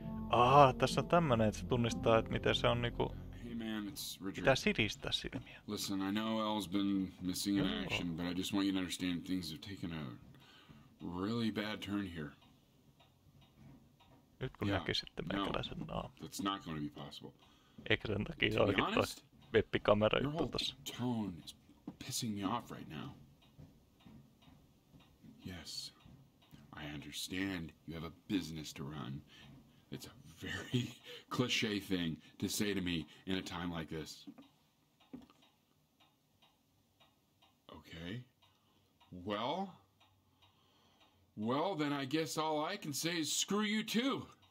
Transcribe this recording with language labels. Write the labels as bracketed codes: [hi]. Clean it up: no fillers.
[fi] Aha, tässä on tämmönen, että se tunnistaa, että miten se on niinku... [en] Hey man, it's Richard. [fi] Pitää siristää silmiä. [en] Listen, I know Elle's been missing in action, but I just want you to understand things have taken a really bad turn here. [fi] Nyt kun näki sitten meikäläisen naamun. Eikä sen takia se olikin toi webbikamera juttu tossa. [en] Tone is pissing me off right now. Yes, I understand you have a business to run. It's a very cliche thing to say to me in a time like this. Okay, well then I guess all I can say is screw you too.